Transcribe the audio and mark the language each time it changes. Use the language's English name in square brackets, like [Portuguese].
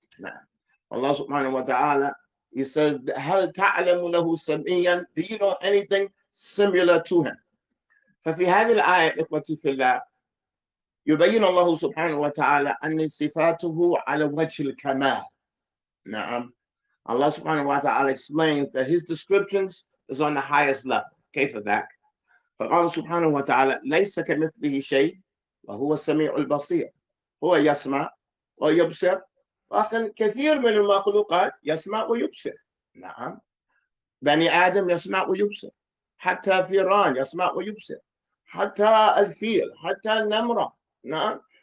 [English] نعم. Allah subhanahu wa ta'ala, he says, [Arabic] هَلْ تَعْلَمُ لَهُ سَمِيًّا? [English] Do you know anything similar to him? [Arabic] ففي هذه الآية إخوتي في الله يبين الله سبحانه وتعالى أن صفاته على وجه الكمال. نعم. [English] Allah subhanahu wa ta'ala explains that his descriptions is on the highest level. [Arabic] كيف ذاك؟ فقال سبحانه وتعالى ليس كمثله شيء وهو السميع البصير. هو يسمع ويبصر, لكن كثير من المخلوقات يسمع ويبصر. نعم. بني آدم يسمع ويبصر, حتى فيران يسمع ويبصر, حتى الفيل, حتى النمرة. نعم.